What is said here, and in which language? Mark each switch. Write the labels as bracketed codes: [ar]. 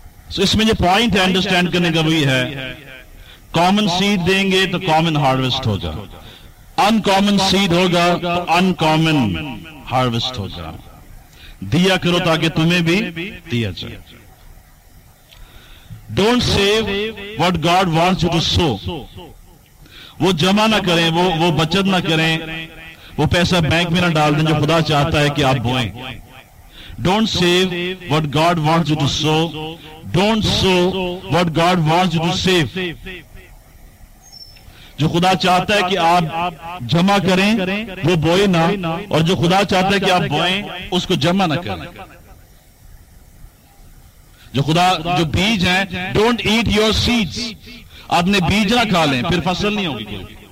[ur] سو اس میں جو پوائنٹ ہے انڈرسٹینڈ کرنے کا وہی ہے, کامن سیڈ دیں گے تو کامن ہارویسٹ ہوگا, ان کامن سیڈ ہوگا تو ان کامن ہارویسٹ ہوگا. دیا کرو تاکہ تمہیں بھی دیا جائے. [en] Don't save what God wants you to sow. [ur] وہ جمع نہ کریں, وہ بچت نہ کریں, وہ پیسہ بینک میں نہ ڈال دیں جو خدا چاہتا ہے کہ آپ بوئیں. [en] Don't save what God wants you to sow. Don't sow what God wants you to save. [ur] جو خدا چاہتا ہے کہ آپ جمع کریں وہ بوئیں نہ, اور جو خدا چاہتا ہے کہ آپ بوئیں اس کو جمع نہ کریں. جو خدا جو بیج ہیں, [en] don't eat your seeds, [ur] آپ نے بیج نہ کھا لیں پھر فصل نہیں ہوگی.